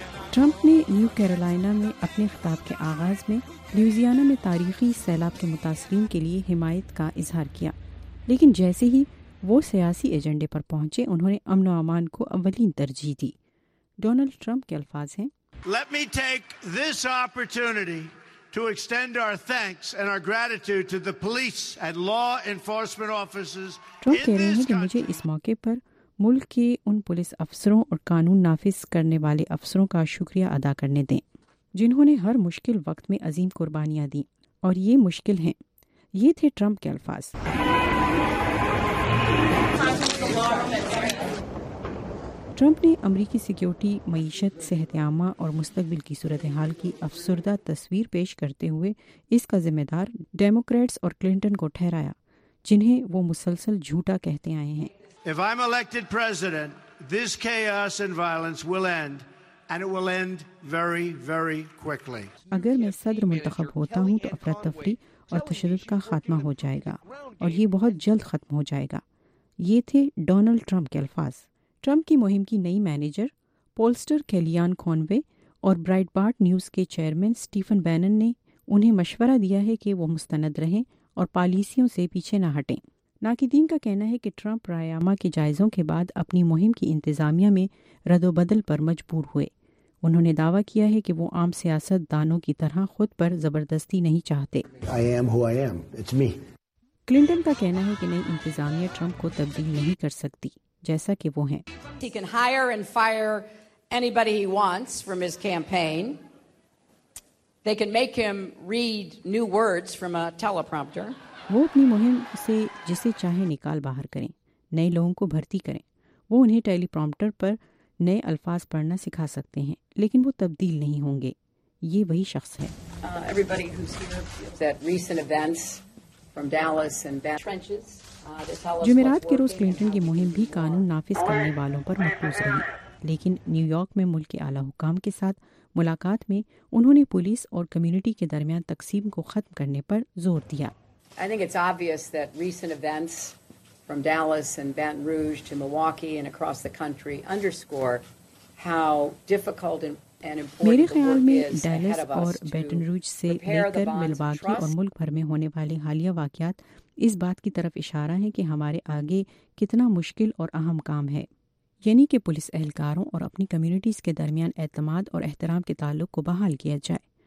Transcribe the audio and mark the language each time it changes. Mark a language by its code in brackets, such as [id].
[ur] Trump نے new Carolina میں اپنے خطاب کے آغاز میں لوئیزیانا میں تاریخی سیلاب کے متاثرین کے لیے حمایت کا اظہار کیا، لیکن جیسے ہی وہ سیاسی ایجنڈے پر پہنچے انہوں نے امن و امان کو اولین ترجیح دی. ڈونلڈ ٹرمپ کے الفاظ ہیں، [en] Let me take this opportunity to extend our thanks and our gratitude to the police and law enforcement officers. [ur] Trump کہہ رہے ہیں کہ مجھے اس موقع پر ملک کے ان پولیس افسروں اور قانون نافذ کرنے والے افسروں کا شکریہ ادا کرنے دیں جنہوں نے ہر مشکل وقت میں عظیم قربانیاں دیں، اور یہ مشکل ہیں. یہ تھے ٹرمپ کے الفاظ. ٹرمپ نے امریکی سیکیورٹی، معیشت، صحت عامہ اور مستقبل کی صورتحال کی افسردہ تصویر پیش کرتے ہوئے اس کا ذمہ دار ڈیموکریٹس اور کلنٹن کو ٹھہرایا جنہیں وہ مسلسل جھوٹا کہتے آئے ہیں. [en] If I'm elected president, this chaos and violence will end, and it will end very, very quickly. [ur] اگر میں صدر منتخب ہوتا ہوں تو افراتفری اور تشدد کا خاتمہ ہو جائے گا، اور یہ بہت جلد ختم ہو جائے گا. یہ تھے ڈونلڈ ٹرمپ کے الفاظ. ٹرمپ کی مہم کی نئی مینیجر پولسٹر کیلیان کونوے اور برائٹ بارٹ نیوز کے چیئرمین سٹیفن بینن نے انہیں مشورہ دیا ہے کہ وہ مستند رہیں اور پالیسیوں سے پیچھے نہ ہٹیں. ناقدین کا کہنا ہے کہ ٹرمپ رائیاما کے جائزوں کے بعد اپنی مہم کی انتظامیہ میں رد و بدل پر مجبور ہوئے. انہوں نے دعویٰ کیا ہے کہ وہ عام سیاست دانوں کی طرح خود پر زبردستی نہیں چاہتے. کلنٹن کا کہنا ہے کہ نئی انتظامیہ ٹرمپ کو تبدیل نہیں کر سکتی جیسا کہ وہ ہیں. [en] He can hire and fire anybody he wants from his campaign. They can make him read new words from a teleprompter. [ur] وہ اپنی مہم سے جسے چاہے نکال باہر کریں، نئے لوگوں کو بھرتی کریں. وہ انہیں ٹیلی پرومپٹر پر نئے الفاظ پڑھنا سکھا سکتے ہیں، لیکن وہ تبدیل نہیں ہوں گے. یہ وہی شخص ہے. [en] Everybody who's here, that recent events from Dallas and bad trenches, [ur] جمعرات کے روز کلنٹن کی مہم بھی قانون نافذ کرنے والوں پر مرکوز رہی، لیکن نیو یارک میں ملک کے اعلی حکام کے ساتھ ملاقات میں انہوں نے پولیس اور کمیونٹی کے درمیان تقسیم کو ختم کرنے پر زور دیا. [en] I think it's obvious that recent events from Dallas and Baton Rouge to Milwaukee and across the country underscore how difficult and [ur] میرے خیال میں ڈیلس اور بیٹن روج سے لے کر ملواکی اور ملک بھر میں ہونے والے حالیہ واقعات اس بات کی طرف اشارہ ہیں کہ ہمارے آگے کتنا مشکل اور اہم کام ہے, یعنی کہ پولیس اہلکاروں اور اپنی کمیونٹیز کے درمیان اعتماد اور احترام کے تعلق کو بحال کیا جائے.